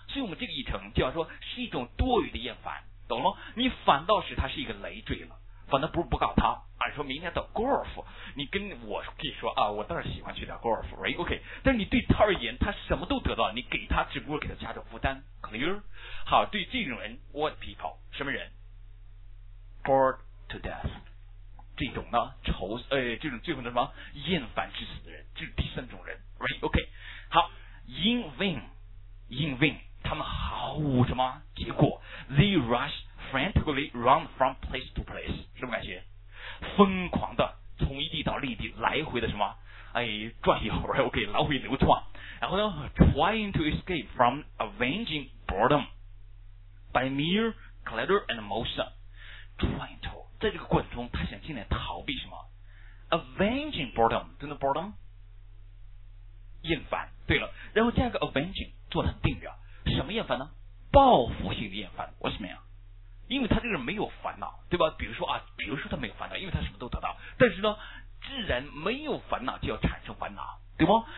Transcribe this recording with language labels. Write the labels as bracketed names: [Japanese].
[Chinese] 所以我们这个议程就要说是一种多余的厌烦，懂了？你反倒使它是一个累赘了，反倒不是不搞它，而是说明天的 golf， 你跟我可以说啊，我倒是喜欢去打 golf， right？ OK， 但是你对他而言，他什么都得到，你给他只不过给他加重负担 ，clear？好，对这种人 ， what people，什么人 ？ bored to death。这种呢愁这种最后的什么厌烦致死的人，这是第三种人 ，right？ [English] OK， 好 ，in vain，他们毫无什么结果，they rush frantically round from place to place，什么感觉？ [Chinese] 疯狂的从一地到另一地来回的什么？ [English] 哎，转悠，right？OK，、okay, 来回流窜，然后呢，trying to escape from avenging boredom by mere clatter and motion，trying to。 [Chinese] 在这个过程中，他想尽量逃避什么 ？ Avenging boredom，真的 boredom， 厌烦。对了，然后加一个 avenging， 做成定语，什么厌烦呢？报复性的厌烦。为什么呀？因为他这个人没有烦恼，对吧？比如说啊，比如说他没有烦恼，因为他什么都得到。但是呢，既然没有烦恼，就要产生烦恼，对吗？